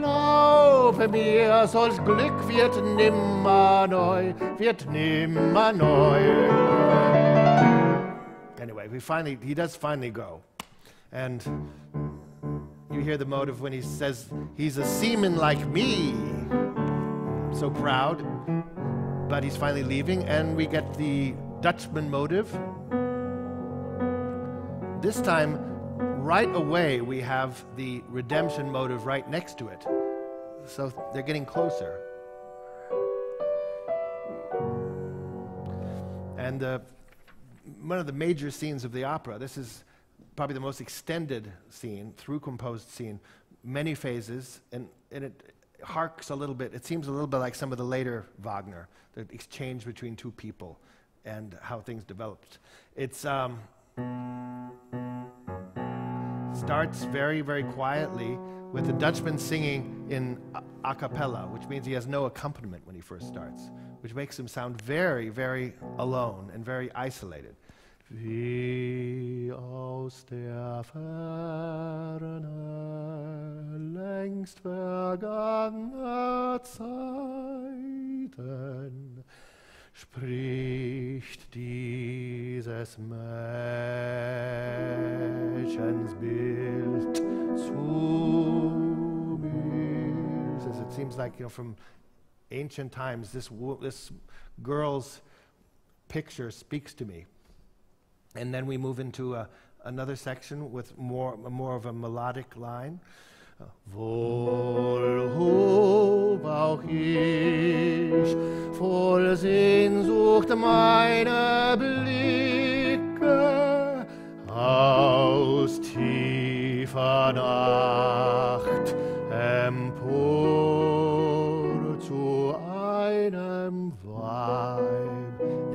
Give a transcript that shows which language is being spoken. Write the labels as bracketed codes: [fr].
[de] Glaube mir, solch Glück wird nimmer neu, wird nimmer neu. [en] Anyway, he does finally go. And you hear the motive when he says, he's a seaman like me. So proud. But he's finally leaving, and we get the Dutchman motive. This time, right away, we have the redemption motive right next to it. So they're getting closer. And one of the major scenes of the opera, this is probably the most extended scene, through composed scene, many phases, and it harks a little bit, it seems a little bit like some of the later Wagner, the exchange between two people and how things developed. It's starts very, very quietly with the Dutchman singing in a cappella, which means he has no accompaniment when he first starts, which makes him sound very, very alone and very isolated. [de] Wie aus der Ferne längst vergangener Zeiten spricht dieses Mädchens Bild zu mir. [en] As it seems like, you know, from ancient times, this girl's picture speaks to me. And then we move into another section with more of a melodic line. [de] Wohl hob auch ich vor Sehnsucht meine Blicke aus tiefer Nacht empor zu einem Weib.